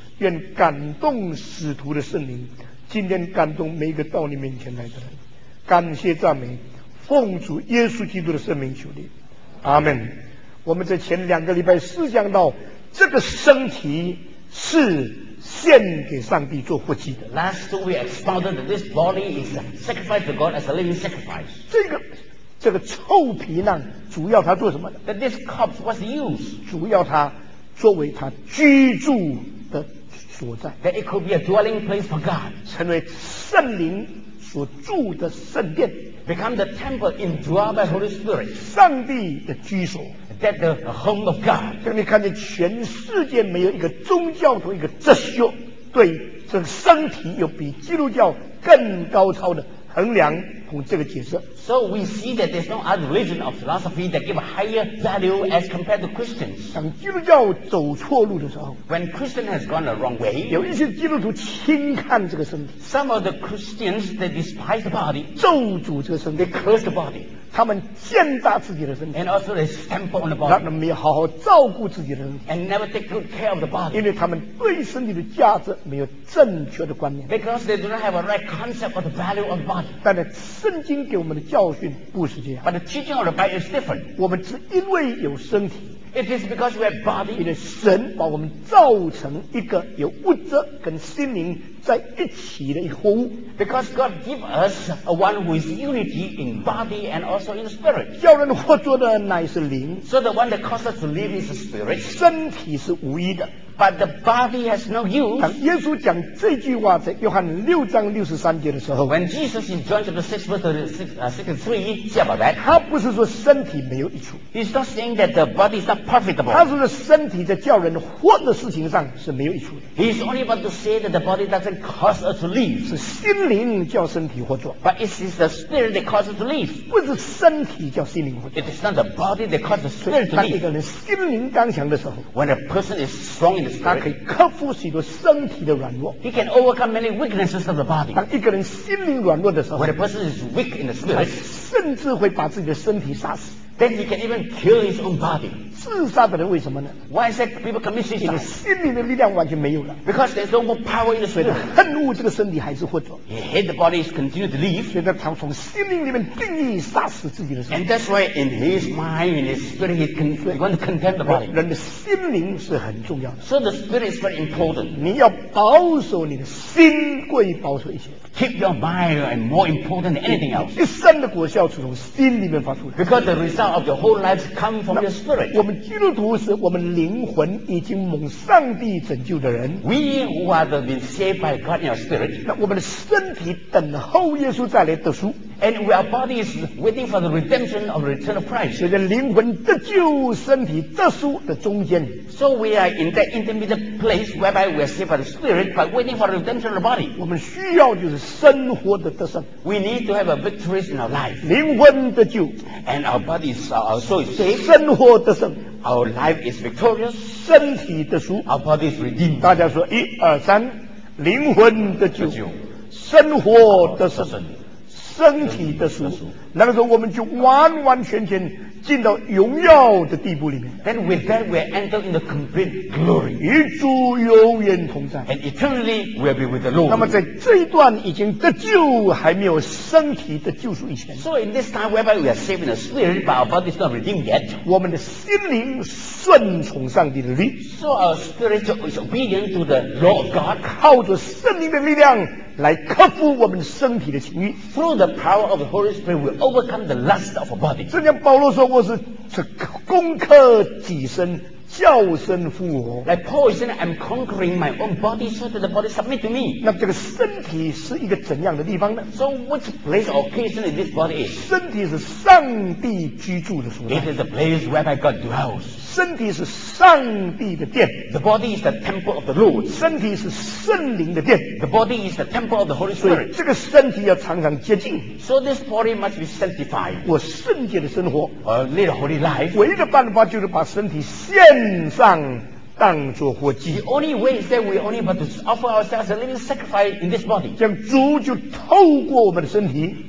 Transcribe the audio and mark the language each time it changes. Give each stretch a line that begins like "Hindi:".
Chinese: 愿感动使徒的圣灵今天感动每一个到你面前来的人。感谢赞美奉主耶稣基督的圣名求你，阿们。我们在前两个礼拜思想到这个身体是献给上帝做活祭的。
English: Last we expounded that this body is sacrificed to God as a living sacrifice.
Chinese: 这个臭皮囊主要它做什么的
English: ？That this corpse was used.
Chinese: 主要它作为它居住的所在。
English: That it could be a dwelling place for God.
Chinese: 成为圣灵所住的圣殿。
English: Become the temple indwelt by Holy Spirit.
Chinese: 上帝的居所。
English: That the home of God.
Chinese: 当你看见全世界没有一个宗教和一个哲学对这个身体有比基督教更高超的衡量和这个解释。
English: So we see that there's no other religion or philosophy that give a higher value as compared to Christians.
Chinese: 当基督教走错路的时候
English: ，When Christian has gone the wrong way，
Chinese: 有一些基督徒轻看这个身体。
English: Some of the Christians they despise the body，
Chinese: 咒诅这个身体
English: ，they curse the body。
Chinese: 他们践踏自己的身体
English: ，and also they stamp on the body，
Chinese: 让他们没有好好照顾自己的身体
English: ，and never take good care of the body，
Chinese: 因为他们对身体的价值没有正确的观念
English: ，because they do not have a right concept of the value of the body。
Chinese: 但是圣经给我们的教训不是这样
English: ，but the teaching of the Bible is different。
Chinese: 我们只因为有身体
English: ，it is because we have body，
Chinese: 因为神把我们造成一个有物质跟心灵在一起的一个活物
English: ，because God give us a one who is unity in body and also in spirit。
Chinese: 叫人活着的乃是灵
English: ，so the one that causes us to live is spirit。
Chinese: 身体是无益的
English: ，but the body has no use。
Chinese: 当耶稣讲这句话在约翰六章六十三节的时候
English: ，when Jesus in John chapter six verse 63 say about that，
Chinese: 他不是说身体没有益处
English: ，he's not saying that the body is not profitable。
Chinese: 他说身体在叫人活的事情上是没有益处的。
English: He's only about to say that the body doesn't cause us to live，
Chinese: 是心灵叫身体活着。
English: But it is the spirit that causes us to live，
Chinese: 不是身体叫心灵活着。
English: It is not the body that causes the spirit to live。
Chinese: 当一个人心灵刚强的时候
English: ，when a person is strong in the spirit，
Chinese: 他可以克服许多身体的软弱。
English: He can overcome many weaknesses of the body。
Chinese: 当一个人心灵软弱的时候
English: ，when a person is weak in the spirit，
Chinese: 甚至会把自己的身体杀死。
English: Then he can even kill his own body。
Chinese: 自杀的人为什么呢
English: ？Why is that people commit suicide？
Chinese: 因为心灵的力量完全没有了。
English: Because there's no more power in the spirit。
Chinese: 恨恶这个身体还是活着。
English: He hates the body is continued to live。
Chinese: 所以他从心灵里面定义杀死自己的身体。
English: And that's why in his mind, in his spirit, he can he want to condemn the body。
Chinese: 人的心灵是很重要的。
English: So the spirit is very important。
Chinese: 你要保守你的心，过于保守一些。
English: Keep your mind and more important than anything else。
Chinese: 一生的果效是从心里面发出来。
English: Because the result of your whole life comes from your spirit。
Chinese: 我们基督徒是我们灵魂已经蒙上帝拯救的人。
English: We who have been saved by God in our spirit。
Chinese: 那我们的身体等候耶稣再来得赎。
English: And our body is waiting for the redemption of the return of Christ.
Chinese: 所以灵魂得救，身体得赎的中间。
English: So we are in that intermediate place whereby we are saved by the Spirit, but waiting for the redemption of the body.
Chinese: 我们需要就是生活的得胜。
English: We need to have a victory in our life.
Chinese: 灵魂得救
English: ，and our body is also saved.
Chinese: 生活得胜
English: ，our life is victorious.
Chinese: 身体得赎
English: ，our body is redeemed.
Chinese: 大家说一二三，灵魂得救，生活得胜。身体的属，那个时候我们就完完全全进到荣耀的地步里面。
English: Then with that we enter in the complete glory.
Chinese: 与主永远同在。
English: And eternally we'll be with the Lord.
Chinese: 那么在这一段已经得救，还没有身体的救赎以前。
English: So in this time whereby we are saved in the spirit, but our body is not redeemed yet.
Chinese: 我们的心灵顺从上帝的律。
English: So our spirit is obedient to the law of God.
Chinese: 靠着圣灵的力量。来克服我们身体的情欲
English: ，through the power of the Holy Spirit, we overcome the lust of our body.
Chinese: 圣经保罗说，我是攻克己身，叫身复活。
English: Like Paul said, I'm conquering my own body, so that the body submit to me.
Chinese: 那这个身体是一个怎样的地方呢
English: ？So which place or occasion is this body?
Chinese: 身体是上帝居住的所在。
English: It is the place where my God dwells.
Chinese: 身体是上帝的殿
English: ，The body is the temple of the Lord。
Chinese: 身体是圣灵的殿
English: ，The body is the temple of the Holy Spirit。
Chinese: 这个身体要常常洁净
English: ，So this body must be sanctified。
Chinese: 我圣洁的生活
English: ，Lead a holy life。
Chinese: 唯一的办法就是把身体献上，当作活祭。
English: The only way is that we only but to offer ourselves a living sacrifice in this body。
Chinese: 这样主就透过我们的身体